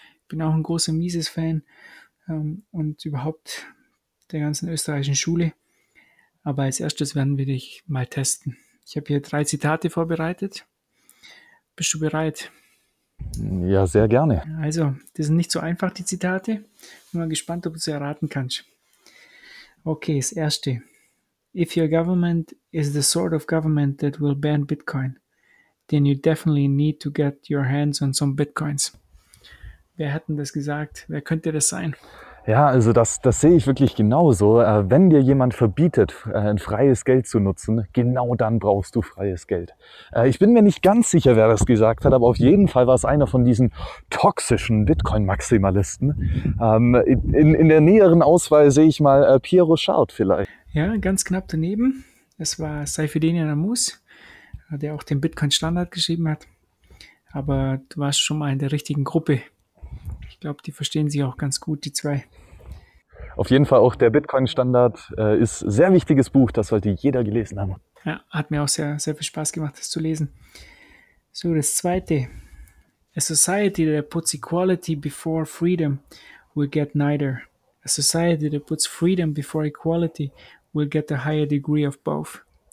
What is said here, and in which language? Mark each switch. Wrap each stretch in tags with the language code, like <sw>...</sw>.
<de>Ich bin auch ein großer Mises-Fan. Und überhaupt der ganzen österreichischen Schule. Aber als erstes werden wir dich mal testen. Ich habe hier 3 Zitate vorbereitet. Bist du bereit? Ja, sehr gerne. Also, die sind nicht so einfach, die Zitate. Bin mal gespannt, ob du sie erraten kannst. Okay, das erste.</de> <en>If your government is the sort of government that will ban Bitcoin, then you definitely need to get your hands on some Bitcoins.</en> <de>Wer hat denn das gesagt? Wer könnte das sein? Ja, also das sehe ich wirklich genauso. Wenn dir jemand verbietet, ein freies Geld zu nutzen, genau dann brauchst du freies Geld. Ich bin mir nicht ganz sicher, wer das gesagt hat, aber auf jeden Fall war es einer von diesen toxischen Bitcoin-Maximalisten. In der näheren Auswahl sehe ich mal Pierre Rochard vielleicht. Ja, ganz knapp daneben. Es war Saifedean Ammous, der auch den Bitcoin-Standard geschrieben hat. Aber du warst schon mal in der richtigen Gruppe. Ich glaube, die verstehen sich auch ganz gut, die 2. Auf jeden Fall auch der Bitcoin-Standard ist ein sehr wichtiges Buch, das sollte jeder gelesen haben. Ja, hat mir auch sehr, sehr viel Spaß gemacht, das zu lesen. So, das 2.</de> <en>A society that puts equality before freedom will get neither. A society that puts freedom before equality will get a higher degree of both.</en>